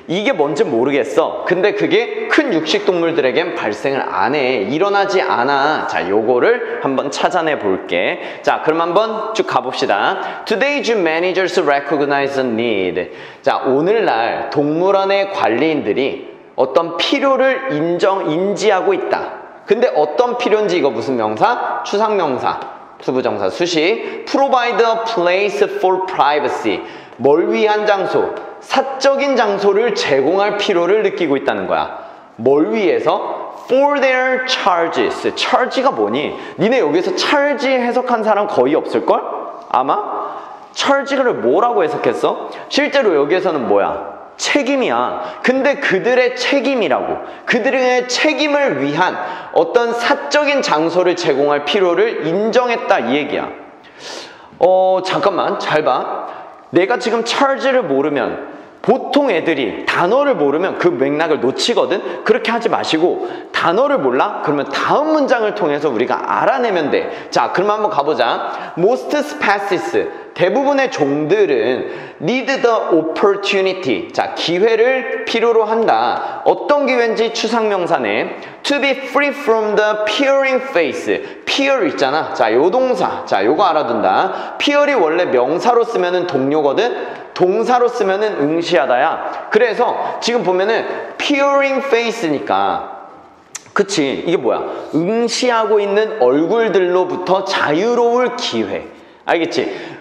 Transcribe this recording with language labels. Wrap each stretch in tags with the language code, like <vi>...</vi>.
<ko>이게 뭔지 모르겠어. 근데 그게 큰 육식동물들에겐 발생을 안 해. 일어나지 않아. 자, 요거를 한번 찾아내 볼게. 자, 그럼 한번 쭉 가봅시다.</ko> <en>Today's managers recognize a need.</en> <ko>자, 오늘날 동물원의 관리인들이 어떤 필요를 인지하고 있다. 근데 어떤 필요인지 이거 무슨 명사? 추상명사. 투부정사 수시.</ko> <en>Provide a place for privacy.</en> <ko>뭘 위한 장소? 사적인 장소를 제공할 필요를 느끼고 있다는 거야. 뭘 위해서?</ko> <en>For their charges.</en> <ko>charge가 뭐니? 니네 여기서 charge 해석한 사람 거의 없을걸? 아마? charge를 뭐라고 해석했어? 실제로 여기에서는 뭐야? 책임이야. 근데 그들의 책임이라고. 그들의 책임을 위한 어떤 사적인 장소를 제공할 필요를 인정했다. 이 얘기야. 잠깐만. 잘 봐. 내가 지금 charge를 모르면, 보통 애들이 단어를 모르면 그 맥락을 놓치거든? 그렇게 하지 마시고, 단어를 몰라? 그러면 다음 문장을 통해서 우리가 알아내면 돼. 자, 그럼 한번 가보자.</ko> <en>Most species,</en> <ko>대부분의 종들은</ko> <en>need the opportunity,</en> <ko>자, 기회를 필요로 한다. 어떤 기회인지 추상명사네.</ko> <en>To be free from the peering face.</en> <ko>peer 있잖아. 자, 요 동사. 자, 요거 알아둔다. peer이 원래 명사로 쓰면은 동료거든? 동사로 쓰면은 응시하다야. 그래서 지금 보면은</ko> <en>peering face</en> <ko>니까. 그치. 이게 뭐야? 응시하고 있는 얼굴들로부터 자유로울 기회. 알겠지?</ko>